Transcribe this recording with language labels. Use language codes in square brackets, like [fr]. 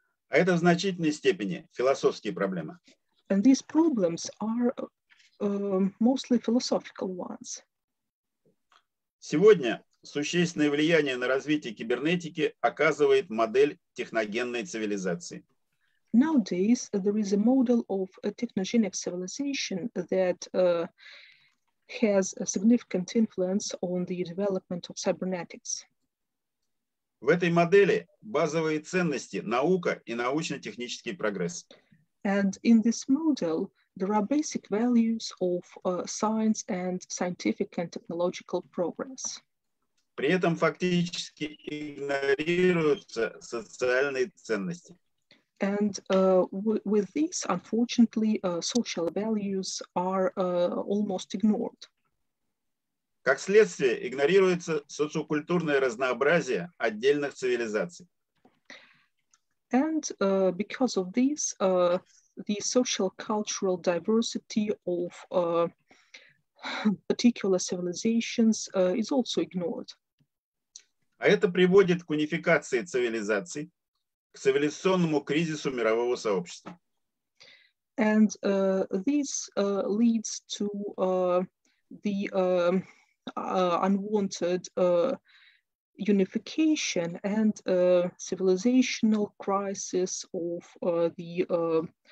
[ru] А это в значительной степени философские проблемы. [en] And these problems are mostly philosophical ones. [ru] Сегодня существенное влияние на развитие кибернетики оказывает модель техногенной цивилизации. [en] Nowadays, there is a model of a technogenic civilization that has a significant influence on the development of cybernetics. [ru] В этой модели базовые ценности – наука и научно-технический прогресс. [en] And in this model, there are basic values of science and scientific and technological progress. [ru] При этом фактически игнорируются социальные ценности. [en] And with this, unfortunately, social values are almost ignored. [ru] Как следствие, игнорируется социокультурное разнообразие отдельных цивилизаций. [en] And because of this, the social-cultural diversity of particular civilizations is also ignored. [ru] А это приводит к унификации цивилизаций, к цивилизационному кризису мирового сообщества. [en] And this leads to the unwanted unification and civilizational crisis of the